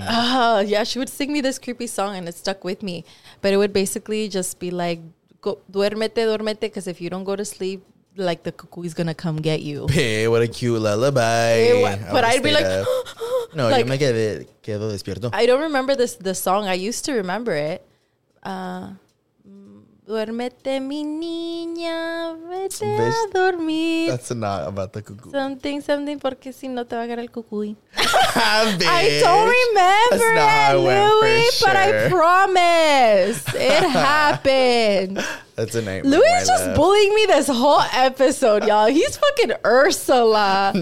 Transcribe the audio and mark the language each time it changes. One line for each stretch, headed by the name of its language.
English: Yeah, she would sing me this creepy song and it stuck with me. But it would basically just be like, go,
Spanish: duérmete, duérmete,
English: because if you don't go to sleep, like the cuckoo is going to come get you. Hey, what a cute lullaby. Hey, but I'd be like,
Spanish: no,
English: like,
Spanish: yo me quedo despierto.
English: I don't remember this the song. I used to remember it.
Spanish: Duérmete, mi niña, vete a dormir.
English: That's not about the cuckoo. Something, something,
Spanish: porque si no te va a agarrar el cuckoo.
English: I don't remember it, Louis, sure. But I promise it happened. That's a nightmare. Louis is just bullying me this whole episode, y'all. He's fucking Ursula. No.